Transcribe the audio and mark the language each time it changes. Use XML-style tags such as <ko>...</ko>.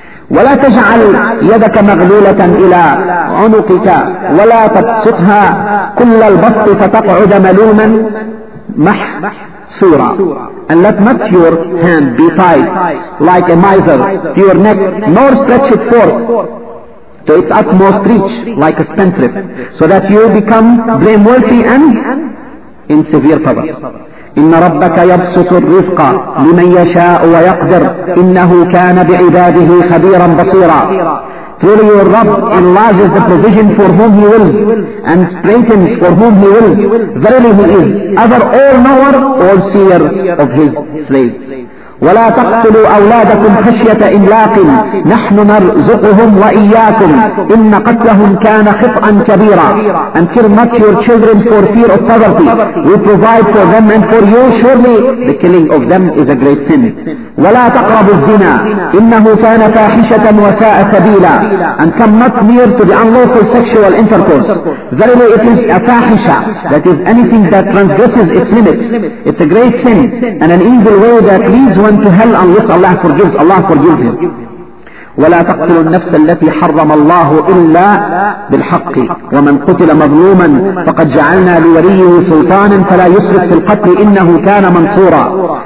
<ar>وَلَا تَجْعَلْ يَدَكَ مَغْلُولَةً إِلَىٰ عُنُقِكَ وَلَا تَبْسُطْهَا كُلَّ الْبَسْطِ فَتَقْعُدَ مَلُومًا مَحْسُورًا.</ar> <en>And let not your hand be tied like a miser to your neck, nor stretch it forth to its utmost reach like a spendthrift, so that you become blameworthy and in severe trouble.</en> <ar>إن ربك يبسط الرزق لمن يشاء ويقدر إنه كان بعباده خبيرا بصيرا.</ar> <en>Truly your Rabb enlarges the provision for whom he wills and straightens for whom he wills. Verily he is ever all knower, all seer of his slaves.</en> <ar>ولا تقتلوا أولادكم خشية إملاق نحن نرزقهم وإياكم إن قتلهم كان خطأ كبيرا.</ar> <en>And kill not your children for fear of poverty. We provide for them and for you. Surely the killing of them is a great sin.</en> <ar>ولا تقربوا الزنا إنه كان فاحشة وساء سبيلا.</ar> <en>And come not near to the unlawful sexual intercourse. Verily it is a فاحشة, that is anything that transgresses its limits. It's a great sin and an evil way that leads one to hell unless Allah forgives. Allah forgives him.</en> <ar>وَلَا تَقْتُلُوا النَّفْسَ الَّتِي حَرَّمَ اللَّهُ إِلَّا بِالْحَقِّ وَمَنْ قُتِلَ مَظْلُومًا فَقَدْ جَعَلْنَا لِوَلِيِّهِ سُلْطَانًا فَلَا يُسْرِفْ فِي الْقَتْلِ إِنَّهُ كَانَ مَنْصُورًا.</ar>